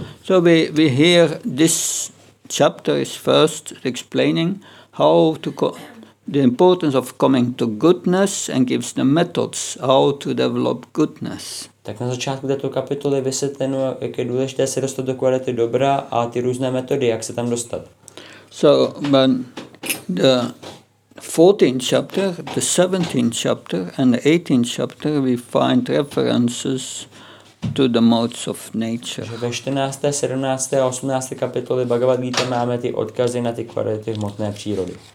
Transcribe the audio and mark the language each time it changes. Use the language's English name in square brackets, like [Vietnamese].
[English] So we hear this chapter is first explaining how to the importance of coming to goodness and gives the methods how to develop goodness. [Czech] Tak na začátku této kapitoly vysvětlenu, jak je důležité se dostat do kvality dobra a ty různé metody, jak se tam dostat. [English] So when the 14th chapter, the 17th chapter and the 18th chapter we find references to the modes of nature. [Czech] Ve 14., 17. a 18. kapitole Bhagavad Gita máme ty odkazy na ty kvality hmotné přírody.